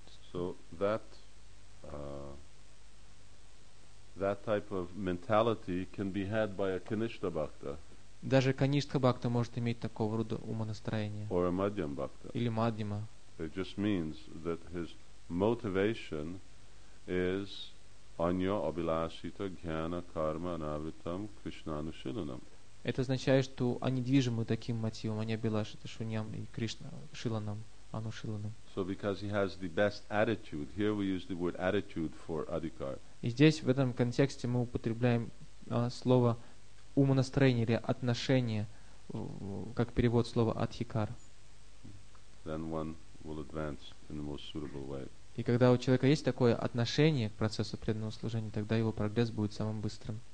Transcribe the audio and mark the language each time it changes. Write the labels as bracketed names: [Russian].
[English] So that, that type of mentality can be had by a Kanishtha Bhakta. [Russian] Даже Каништа Бхакта может иметь такого рода умонастроение. [English] Or a Madhyam Bhakta. [Russian] Или Мадхима. [English] It just means that his motivation is [Sanskrit] anya abhilashita jnana karma anavritam krishna anushilanam. [Russian] Это означает, что они движимы таким мотивом, они abhilashita shunyam и krishna shilanam anushilanam. [English] So because he has the best attitude, here we use the word attitude for adhikar. [Russian] И здесь в этом контексте мы употребляем слово умонастроение или отношение как перевод слова адхикар. [English] Then one will advance in the most suitable way. [Russian] И когда у человека есть такое отношение к процессу преданного служения, тогда его прогресс будет самым быстрым.